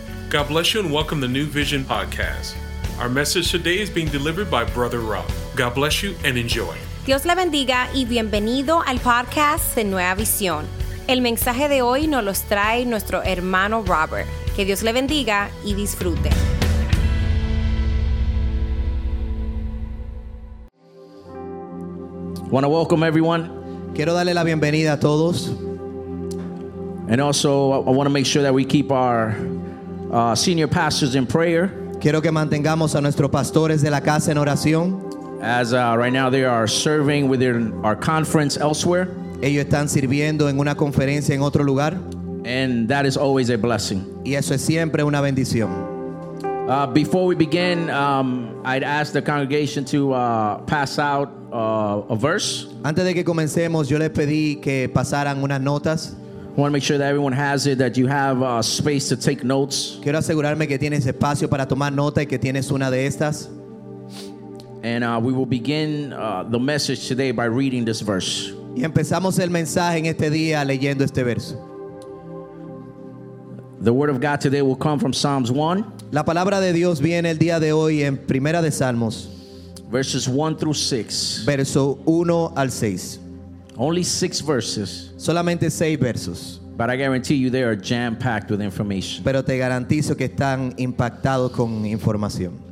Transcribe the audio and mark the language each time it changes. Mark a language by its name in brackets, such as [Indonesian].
[English] God bless you and welcome to New Vision Podcast. Our message today is being delivered by Brother Rob. God bless you and enjoy. [Spanish] Dios le bendiga y bienvenido al podcast de Nueva Visión. El mensaje de hoy nos los trae nuestro hermano Robert. Que Dios le bendiga y disfrute. [English] Want to welcome everyone. [Spanish] Quiero darle la bienvenida a todos. [English] And also, I want to make sure that we keep our senior pastors in prayer. [Spanish] Quiero que mantengamos a nuestros pastores de la casa en oración. [English] As right now they are serving within our conference elsewhere. [Spanish] Ellos están sirviendo en una conferencia en otro lugar. [English] And that is always a blessing. [Spanish] Y eso es siempre una bendición. [English] Before we begin, I'd ask the congregation to pass out a verse. [Spanish] Antes de que comencemos, yo les pedí que pasaran unas notas. [English] I want to make sure that everyone has it, that you have space to take notes. [Spanish] Quiero asegurarme que tienes espacio para tomar nota y que tienes una de estas. [English] And we will begin the message today by reading this verse. [Spanish] Y empezamos el mensaje en este día leyendo este verso. [English] The word of God today will come from Psalms 1. [Spanish] La palabra de Dios viene el día de hoy en Primera de Salmos. [English] Verses 1 through 6. [Spanish] Verso 1 al 6. [English] Only 6 verses. [Spanish] Solamente 6 versos. [English] But I guarantee you they are jam-packed with information. [Spanish] Pero te garantizo que están impactados con información.